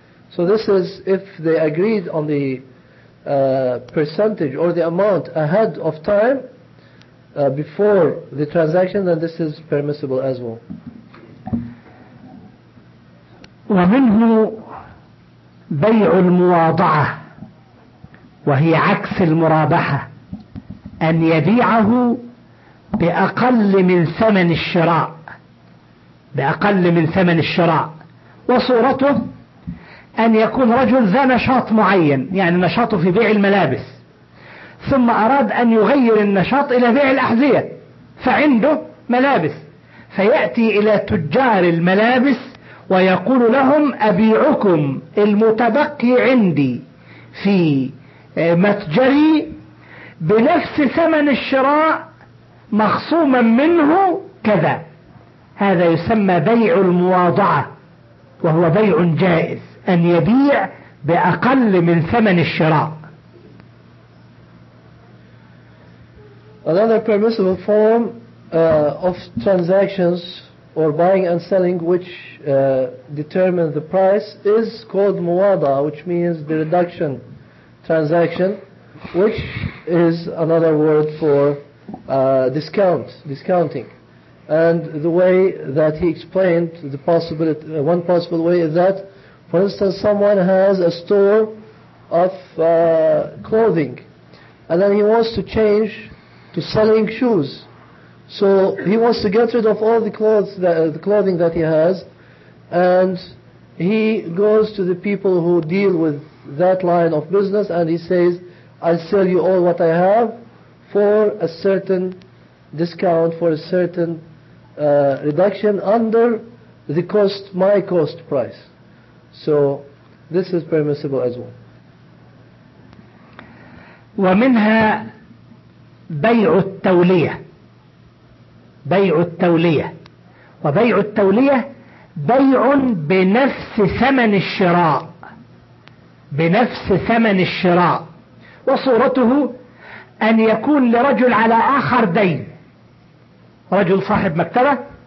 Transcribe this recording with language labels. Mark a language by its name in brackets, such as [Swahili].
[English] So this is if they agreed on the percentage or the amount ahead of time before the transaction, then this is permissible as well. [Arabic] ومنه بيع المواضعة وهي عكس المرابحة أن يبيعه بأقل من ثمن الشراء بأقل من ثمن الشراء وصورته أن يكون رجل ذا نشاط معين يعني نشاطه في بيع الملابس ثم أراد أن يغير النشاط إلى بيع الأحذية فعنده ملابس فيأتي إلى تجار الملابس ويقول لهم أبيعكم المتبقي عندي في متجري بنفس ثمن الشراء مخصوما منه كذا هذا يسمى بيع المواضعة وهو بيع جائز أن يبيع بأقل من ثمن الشراء. [English] Another permissible form of transactions or buying and selling which determine the price is called muwada, which means the reduction transaction, which is another word for discounting. And the way that he explained the possibility, one possible way is that, for instance, someone has a store of clothing and then he wants to change to selling shoes. So he wants to get rid of all the clothes, the clothing that he has, and he goes to the people who deal with that line of business and he says, I'll sell you all what I have for a certain discount, for a certain reduction under the cost, my cost price. So this is permissible as well. [Arabic] ومنها بيع التولية بيع التولية وبيع التولية بيع بنفس ثمن الشراء بنفس ثمن الشراء وصورته أن يكون لرجل على آخر دين رجل صاحب مكتبة